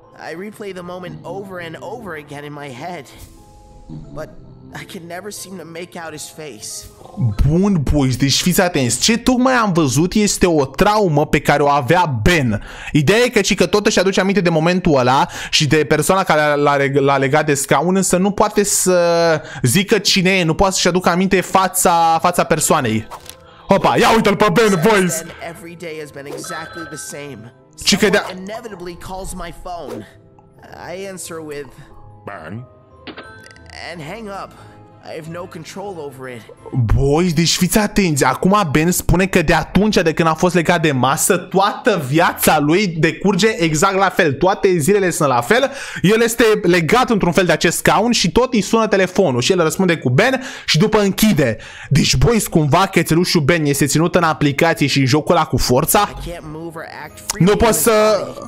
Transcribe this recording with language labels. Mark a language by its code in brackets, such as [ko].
[en] I replay the moment over and over again in my head. But I can never seem to make out his face. [ro] Bun, boys, deci fiți atenți. Ce tocmai am văzut este o traumă pe care o avea Ben. Ideea e că și că tot își aduce aminte de momentul ăla și de persoana care l-a legat de scaun, însă nu poate să zică cine e, nu poate să-și aducă aminte fața persoanei. Hopa, ia uite-l pe Ben, boys. [en] Every day has been exactly the same. Someone inevitably calls my phone. I answer with Ben. And hang up. I have no control over it. [ro] Boys, deci fiți atenți. Acum Ben spune că de atunci de când a fost legat de masă, toată viața lui decurge exact la fel. Toate zilele sunt la fel. El este legat într-un fel de acest scaun și tot îi sună telefonul și el răspunde cu Ben și după închide. Deci, boys, cumva cățelușul Ben este ținut în aplicație și în jocul ăla cu forța? Nu poți să...